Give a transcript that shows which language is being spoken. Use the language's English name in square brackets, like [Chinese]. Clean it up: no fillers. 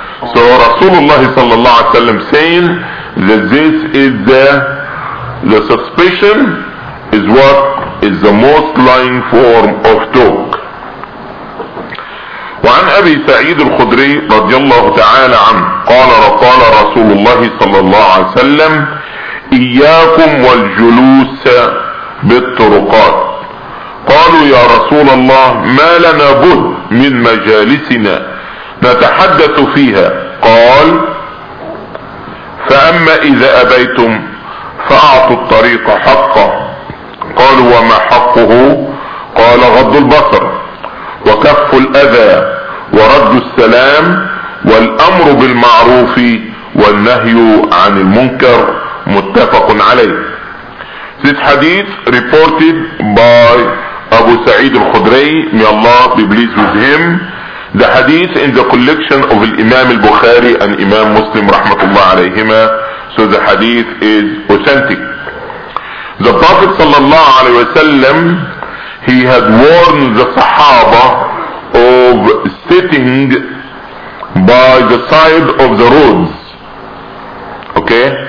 [English] So Rasulullah sallallahu alayhi wa sallam saying that this is the suspicion is what is the most lying form of talk. [Arabic] وعن أبي سعيد الخدري رضي الله تعالى عنه قال قال رسول الله صلى الله عليه وسلم إياكم والجلوس بالطرقات. قالوا يا رسول الله ما لنا بد من مجالسنا نتحدث فيها. قال فأما إذا أبيتم فأعطوا الطريق حقه. قال وما حقه؟ قال غض البصر وكف الأذى ورد السلام والأمر بالمعروف والنهي عن المنكر. متفق عليه. [English] This hadith reported by Abu Sa'id al-Khudri, may Allah be pleased with him. The hadith in the collection of Imam al-Bukhari and Imam Muslim rahmatullah alayhima. So the hadith is authentic. The Prophet sallallahu alayhi wa sallam, he had warned the Sahaba of sitting by the side of the roads. Okay?